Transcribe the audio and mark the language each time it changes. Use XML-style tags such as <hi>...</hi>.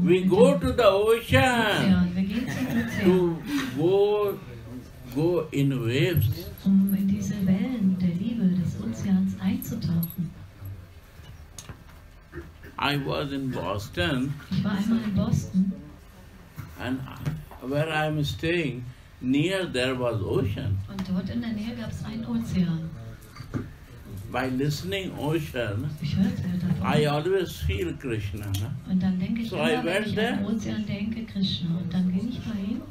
<en>we go to the ocean to go in waves.</en> <de>Um in diese Wellen der Liebe des Ozeans einzutauchen.</de> <en>I was in Boston.</en> <de>Ich war einmal in Boston.</de> <en>And where I'm staying, near there was ocean.</en> <de>Und dort in der Nähe gab es einen Ozean.</de> <en>By listening ocean, I always feel Krishna.</en> <de>Und dann denke ich,</de> <en>so I went there.</en> <de>Ozean denke Krishna, und dann gehe ich dahin.</de>